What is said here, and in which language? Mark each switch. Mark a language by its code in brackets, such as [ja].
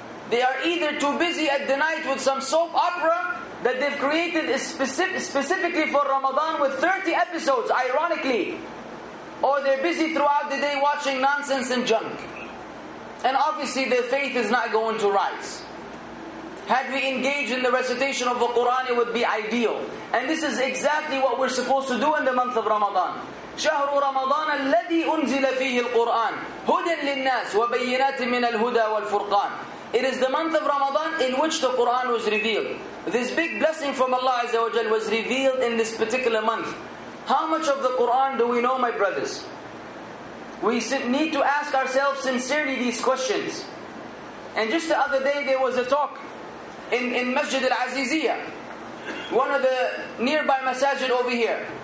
[en] They are either too busy at the night with some soap opera that they've created specifically for Ramadan with 30 episodes, ironically. Or they're busy throughout the day watching nonsense and junk. And obviously their faith is not going to rise. Had we engaged in the recitation of the Qur'an, it would be ideal. And this is exactly what we're supposed to do in the month of Ramadan. [ar] شهر رمضان الذي أنزل فيه القرآن هدى للناس وبينات من الهدى والفرقان. [en] It is the month of Ramadan in which the Qur'an was revealed. This big blessing from Allah Azza wa Jal was revealed in this particular month. How much of the Qur'an do we know, my brothers? We need to ask ourselves sincerely these questions. And just the other day there was a talk in Masjid Al-Aziziyah, one of the nearby masajid over here.